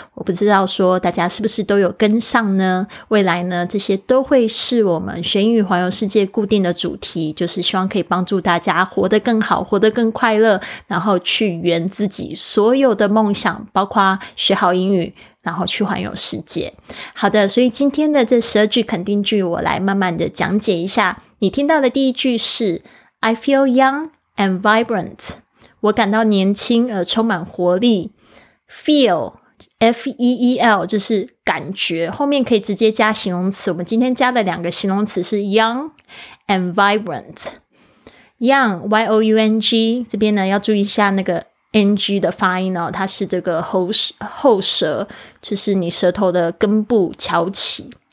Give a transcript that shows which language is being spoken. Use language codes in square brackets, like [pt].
[zh] 我不知道说大家是不是都有跟上呢？未来呢，这些都会是我们学英语环游世界固定的主题，就是希望可以帮助大家活得更好，活得更快乐，然后去圆自己所有的梦想，包括学好英语，然后去环游世界。好的，所以今天的这12句肯定句，我来慢慢的讲解一下。你听到的第一句是 [en] I feel young and vibrant. [zh] 我感到年轻而充满活力。Feel, F-E-E-L, 就是感觉，后面可以直接加形容词。我们今天加的两个形容词是 [en] young and vibrant. [zh] Young, Y-O-U-N-G, 这边呢要注意一下那个NG 的发音哦，它是这个后舌，就是你舌头的根部翘起。